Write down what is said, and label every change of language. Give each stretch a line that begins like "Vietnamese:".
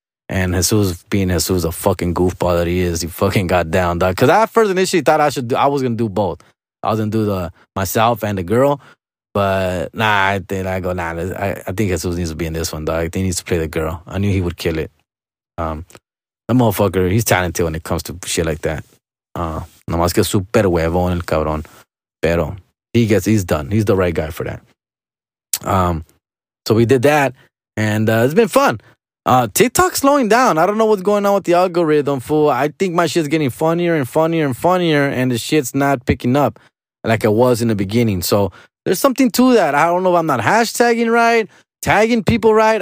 English: And Jesus, being Jesus, a fucking goofball that he is, he fucking got down, dog. Because I first initially thought I was gonna do both. I was gonna do the myself and the girl, but nah. I think Jesus needs to be in this one, dog. I think he needs to play the girl. I knew he would kill it. The motherfucker, he's talented when it comes to shit like that.
Spanish: Nomás que super huevón el cabrón, pero
English: he's done. He's the right guy for that. So we did that, and it's been fun. TikTok's slowing down. I don't know what's going on with the algorithm, fool. I think my shit's getting funnier and funnier and funnier, and the shit's not picking up like it was in the beginning. So there's something to that. I don't know if I'm not hashtagging right, tagging people right.